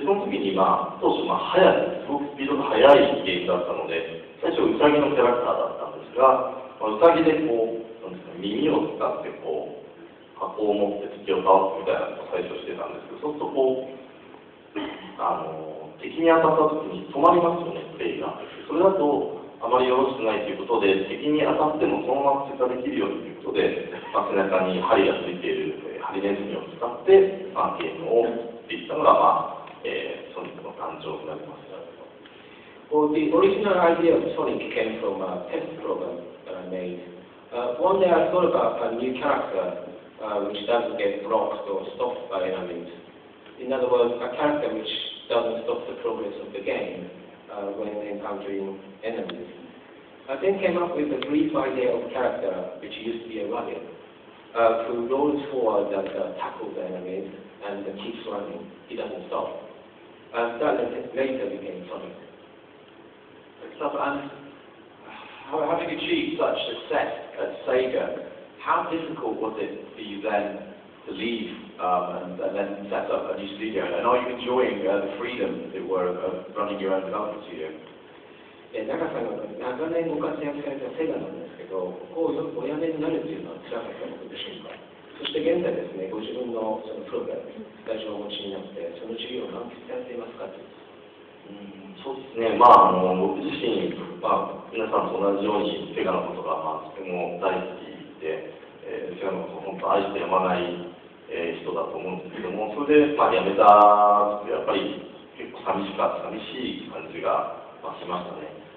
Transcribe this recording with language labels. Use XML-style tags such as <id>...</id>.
<ja>で、その時に、当初、すごくスピードが速いゲームだったので、最初、ウサギのキャラクターだったんですが、ウサギでこう、なんですか、耳を使ってこう、箱を持って敵を倒すみたいなのを最初してたんですけど、そうするとこう、敵に当たったときに止まりますよね、プレイが。それだとあまりよろしくないということで、敵に当たってもそのまま追加できるようにということで、背中に針がついている、ハリネズミを使って、ゲームをできたのが、ソニックの誕生になります。</ja> <en>Well, the original idea of Sonic came from a test program that I made. One day I thought about a new character, which doesn't get blocked or stopped by enemies. In other words, a character which doesn't stop the progress of the game when encountering enemies. I then came up with a brief idea of a character which used to be a rabbit, who rolls forward and tackles the enemies and keeps running. He doesn't stop. And that later became Sonic. And having achieved such success at Sega, how difficult was it for you then to leave and then set up a new studio? And are you enjoying the freedom, as it were, of running your own development studio?</en> <ja>Naka-san, 長年ご活躍されたセガなんですけど、ここをお辞めになるというのは辛かったことでしょうか？そして現在ですね、ご自分のそのプログラム、会社をお持ちになって、その授業を満喫されていますか？そうですね、僕自身、皆さんと同じようにセガのことが、とても大好きで、セガのことを本当愛してやまない人だと思うんですけども、それで、辞めたってやっぱり結構寂しい感じが、しましたね。</ja>